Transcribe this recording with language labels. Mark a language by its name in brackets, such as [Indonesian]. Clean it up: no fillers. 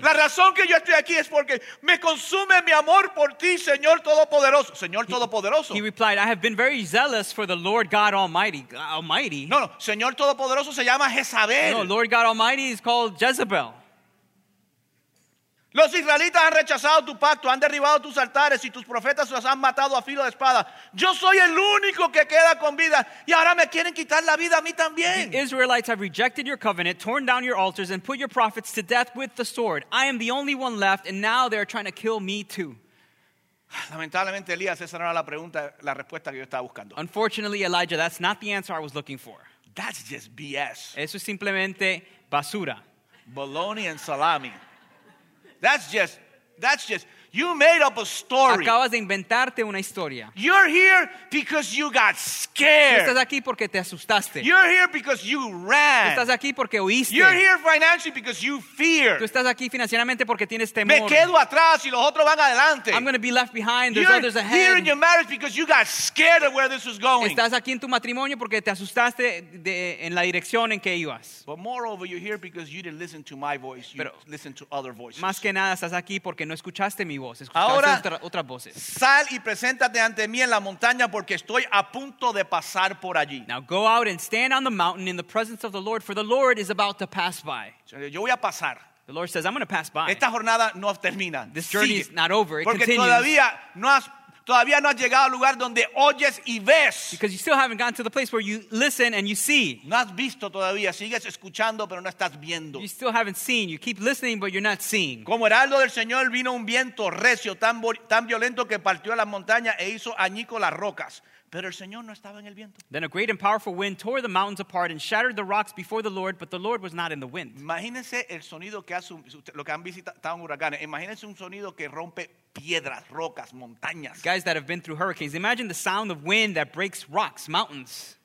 [Spanish] La razón que yo estoy aquí es porque me consume mi amor por ti, Señor Todopoderoso. Señor Todopoderoso. [English] He replied, I have been very zealous for the Lord God Almighty. Almighty. [Spanish] No, no. Señor Todopoderoso se llama Jezabel. [English] No, Lord God Almighty is called Jezebel. [Spanish] Los israelitas han rechazado tu pacto, han derribado tus altares y tus profetas los han matado a filo de espada. Yo soy el único que queda con vida y ahora me quieren quitar la vida a mí también. [English] The Israelites have rejected your covenant, torn down your altars and put your prophets to death with the sword. I am the only one left and now they are trying to kill me too. [Spanish] Lamentablemente, Elías, esa no era la pregunta, la respuesta que yo estaba buscando. [English] Unfortunately, Elijah, that's not the answer I was looking for. That's just BS. [Spanish] Eso es simplemente basura. [English] Bologna and salami. That's just, you made up a story. [Spanish] Acabas de inventarte una historia. [English] You're here because you got scared. [Spanish] Estás aquí porque te asustaste. [English] You're here because you ran. [Spanish] Estás aquí porque huiste. [English] You're here financially because you fear. [Spanish] Tú estás aquí financieramente porque tienes temor. Me quedo atrás y los otros van adelante. [English] I'm going to be left behind. There's You're others ahead. You're here in your marriage because you got scared of where this was going. [Spanish] Estás aquí en tu matrimonio porque te asustaste de, en la dirección en que ibas. [English] But moreover, you're here because you didn't listen to my voice. You listened to other voices. [Spanish] Más que nada, estás aquí porque no escuchaste mi voz. Ahora, otras voces. Sal y preséntate ante mí en la montaña porque estoy a punto de pasar por allí. [English] Now go out and stand on the mountain in the presence of the Lord, for the Lord is about to pass by. [Spanish] Yo voy a pasar. [English] The Lord says, I'm going to pass by. [Spanish] Esta jornada no termina. [English] This journey Is not over. It [Spanish] porque [English] continues. [Spanish] Todavía no has llegado al lugar donde oyes y ves. [English] Because you still haven't gotten to the place where you listen and you see. [Spanish] No has visto todavía. Sigues escuchando, pero no estás viendo. [English] You still haven't seen. You keep listening, but you're not seeing. [Spanish] Como heraldo del Señor vino un viento recio, tan violento que partió las montañas e hizo añico las rocas. Pero el Señor no estaba en el viento. [English] Then a great and powerful wind tore the mountains apart and shattered the rocks before the Lord, but the Lord was not in the wind. [Spanish] Imagínense el sonido que hace, lo que han visitado en huracanes. Imagínense un sonido que rompe piedras, rocas, montañas. [English] Guys that have been through hurricanes, imagine the sound of wind that breaks rocks, mountains.